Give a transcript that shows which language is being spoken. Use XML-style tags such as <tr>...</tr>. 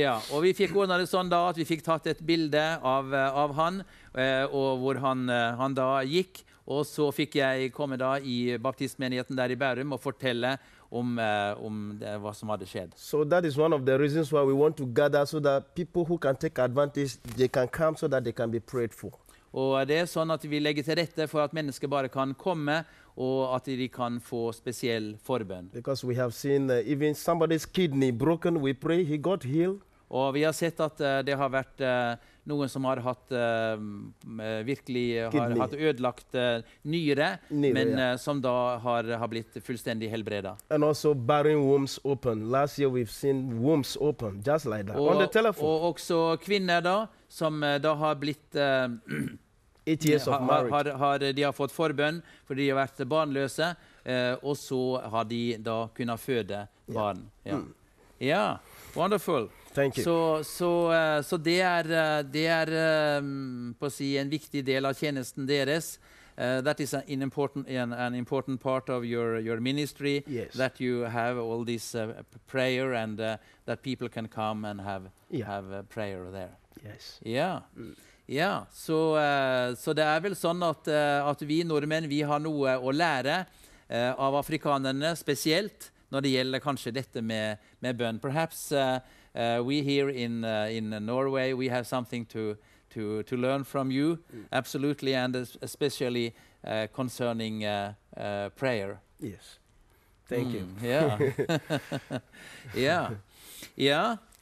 <no>Ja, og vi fikk ordnet det sånn da at vi fikk tatt et bilde av han, og hvor han da gikk, og så fikk jeg komme da I baptistmenigheten der I Bærum og fortelle om det, hva som hadde skjedd.</no> <en>So that is one of the reasons why we want to gather so that people who can take advantage, they can come so that they can be prayed for.</en> <no>Og det sånn at vi legger til rette for at mennesker bare kan komme, og at de kan få spesiell forbønn.</no> <en>Because we have seen even somebody's kidney broken, we pray, he got healed.</en> <no>Og vi har sett at det har vært noen som har hatt virkelig hatt ødelagt nyre, men som da har blitt fullstendig helbredet.</no> <en>And also barren wombs open. Last year we've seen wombs open, just like that, on the telephone.</en> <no>Og også kvinner da, som da har blitt</no> <en>8 years of marriage.</en> <no>De har fått forbønn fordi de har vært barnløse, og så har de da kunnet føde barn.</no> <en>Yeah.</en> <no>Ja. Mm. Ja,</no> <en>wonderful. Thank you.</en> <no>Så det er på å si en viktig del av tjenesten deres.</no> <en>That is an important part of your ministry. Yes. That you have all this prayer and that people can come and have prayer there. Yes.</en> <no>Ja. Ja, så det vel sånn at vi nordmenn, vi har noe å lære av afrikanerne, spesielt når det gjelder kanskje dette med bønn.</no> <en>Perhaps we here in Norway, we have something to learn from you, absolutely, and especially concerning prayer. Yes. Thank you.</en> <no>Ja. Ja. Ja.</no>